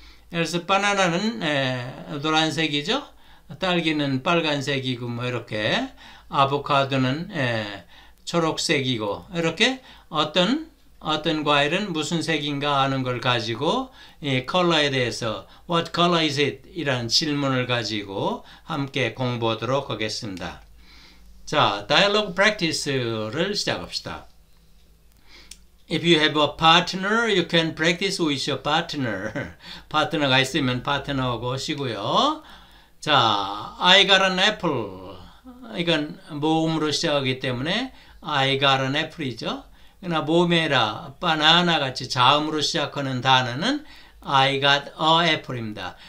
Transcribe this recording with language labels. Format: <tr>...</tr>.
<ko>그래서 바나나는 노란색이죠? 딸기는 빨간색이고 뭐 이렇게, 아보카도는 초록색이고 이렇게 어떤 과일은 무슨 색인가 하는 걸 가지고 이 컬러에 대해서</ko> <en>What color is it?</en> <ko>이라는 질문을 가지고 함께 공부하도록 하겠습니다. 자, 다이얼로그 프랙티스를 시작합시다.</ko> <en>If you have a partner, you can practice with your partner.</en> <ko>파트너가 있으면 파트너하고 오시고요.</ko> <en>자, I got an apple.</en> <ko>이건 모음으로 시작하기 때문에</ko> <en>I got an apple</en> <ko>이죠. 그러나 모메라, 바나나같이 자음으로 시작하는 단어는</ko> <en>I got a apple</en> <ko>입니다.</ko>